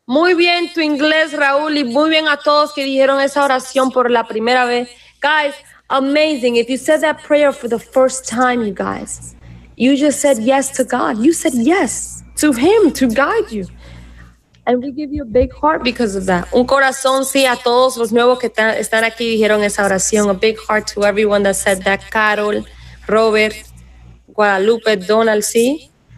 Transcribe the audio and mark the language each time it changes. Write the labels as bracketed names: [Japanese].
[Spanish] Muy bien tu inglés, Raúl, y muy bien a todos que dijeron esa oración por la primera vez. [English] Guys, amazing. If you said that prayer for the first time, you guys, you just said yes to God. You said yes to Him to guide you. And we give you a big heart because of that. [Spanish] Un corazón, sí, a todos los nuevos que están aquí dijeron esa oración. [English] A big heart to everyone that said that. Carol, Robert, Guadalupe, Donald, sí.